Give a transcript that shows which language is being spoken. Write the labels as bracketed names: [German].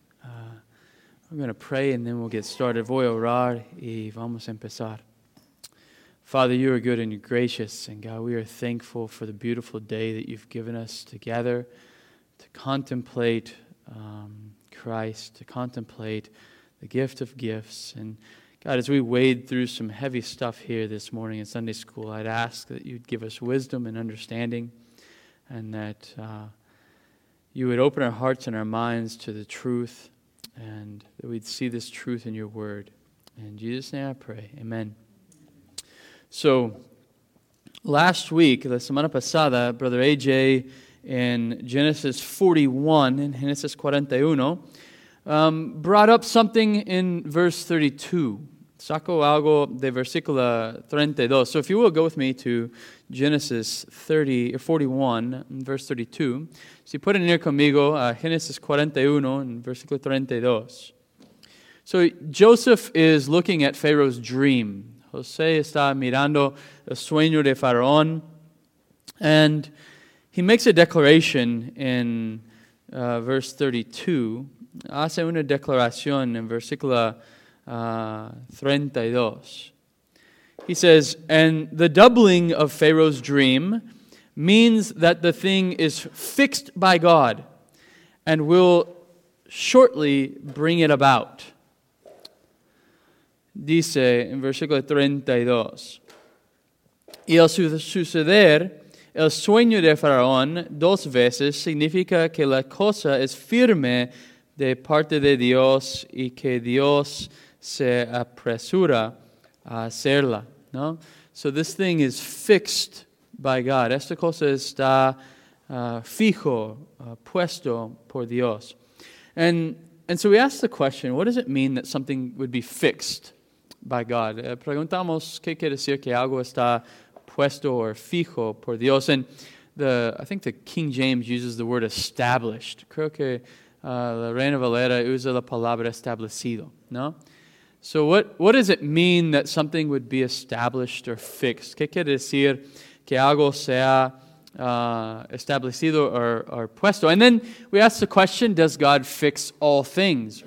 [English] I'm going to pray and then we'll get started. [Spanish] Voy a orar y vamos a empezar. [English] Father, you are good and you're gracious. And God, we are thankful for the beautiful day that you've given us together to contemplate Christ, to contemplate the gift of gifts. And God, as we wade through some heavy stuff here this morning in Sunday school, I'd ask that you'd give us wisdom and understanding, and that you would open our hearts and our minds to the truth, and that we'd see this truth in your word. In Jesus' name I pray, amen. So, last week, [Spanish] la semana pasada, [English] Brother AJ, in Genesis 41, in Genesis 41, brought up something in verse 32. [Spanish] Sacó algo de versículo 32. [English] So if you will, go with me to Genesis 41, verse 32. [Spanish] Si pueden ir conmigo a Genesis 41, en versículo 32. [English] So Joseph is looking at Pharaoh's dream. [Spanish] José está mirando el sueño de Faraón. [English] And he makes a declaration in verse 32. [Spanish] Hace una declaración en versículo 32. [English] He says, and the doubling of Pharaoh's dream means that the thing is fixed by God and will shortly bring it about. [Spanish] Dice en versículo 32. Y el suceder el sueño de Faraón dos veces significa que la cosa es firme de parte de Dios y que Dios se apresura a hacerla. No? [English] So this thing is fixed by God. [Spanish] Esta cosa está fijo, puesto por Dios. [English] And so we ask the question, what does it mean that something would be fixed by God? [Spanish] Preguntamos, ¿qué quiere decir que algo está puesto or fijo por Dios? [English] And I think the King James uses the word established. [Spanish] Creo que la Reina Valera usa la palabra establecido, no? [English] So what does it mean that something would be established or fixed? [Spanish] ¿Qué quiere decir que algo sea establecido or puesto? [English] And then we ask the question, does God fix all things?